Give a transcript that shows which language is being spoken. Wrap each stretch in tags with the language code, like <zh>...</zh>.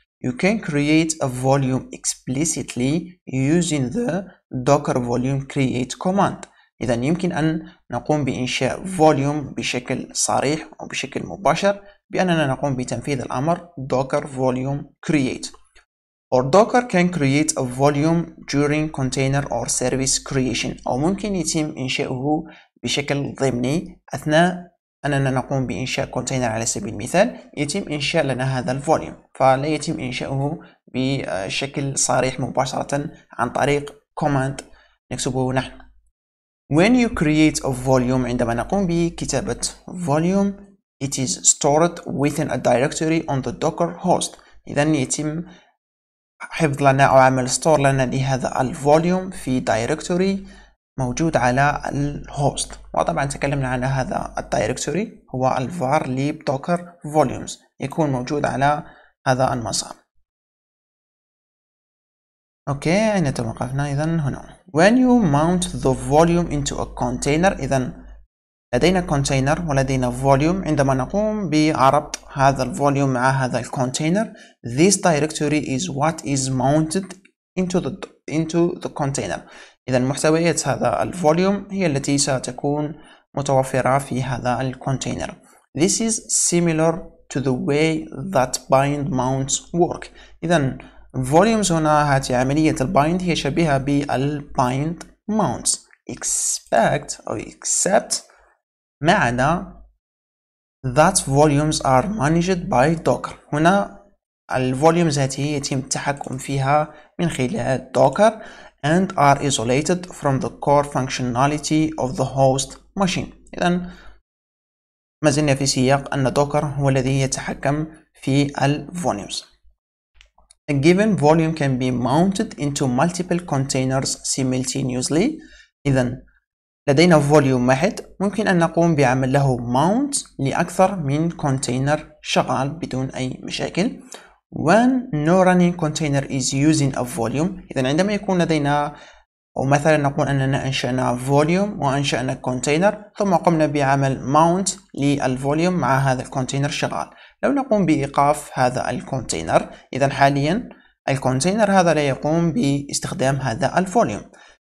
<en>You can create a volume explicitly using the docker volume create command.</en> <ar>اذا يمكن ان نقوم بانشاء فوليوم بشكل صريح او بشكل مباشر باننا نقوم بتنفيذ الامر docker volume create.</ar> <en>Or Docker can create a volume during container or service creation.</en> <ar>أو ممكن يتم إنشاؤه بشكل ضمني أثناء أننا نقوم بإنشاء container على سبيل المثال، يتم إنشاء لنا هذا الفوليوم، فلا يتم إنشاؤه بشكل صريح مباشرة عن طريق command نكتبه نحن.</ar> <en>When you create a volume،</en> <ar>عندما نقوم بكتابة volume،</ar> <en>it is stored within a directory on the Docker host.</en> <ar>إذن يتم حفظ لنا أو عمل ستور لنا لهذا الفوليوم في دايركتوري موجود على الهوست. وطبعا تكلمنا عن هذا الدايركتوري، هو الفار ليب دوكر فوليومز، يكون موجود على هذا المسار. اوكي، اين توقفنا؟ اذا هنا</ar> <en>when you mount the volume into a container،</en> <ar>اذا لدينا container ولدينا volume، عندما نقوم بربط هذا volume مع هذا container،</ar> <en>this directory is what is mounted into the container.</en> <ar>إذا محتويات هذا volume هي التي ستكون متوفرة في هذا container.</ar> <en>This is similar to the way that bind mounts work.</en> <ar>إذا volumes هنا، هذه عملية bind هي شبيهة بال bind mounts.</ar> <en>Except</en> <ar>ما عدا</ar> <en>that volumes are managed by Docker.</en> <ar>هنا الفوليومز هذه يتم التحكم فيها من خلال</ar> <en>Docker and are isolated from the core functionality of the host machine.</en> <ar>إذن ما زلنا في سياق أن Docker هو الذي يتحكم في الفوليومز.</ar> <en>A given volume can be mounted into multiple containers simultaneously.</en> <ar>إذن لدينا فوليوم واحد، ممكن أن نقوم بعمل له mount لأكثر من container شغال بدون أي مشاكل.</ar> <en>When no running container is using a volume،</en> <ar>إذن عندما يكون لدينا أو مثلا نقول أننا أنشأنا volume وأنشأنا container ثم قمنا بعمل mount للفوليوم مع هذا container شغال، لو نقوم بإيقاف هذا container، إذن حاليا container هذا لا يقوم باستخدام هذا volume.</ar>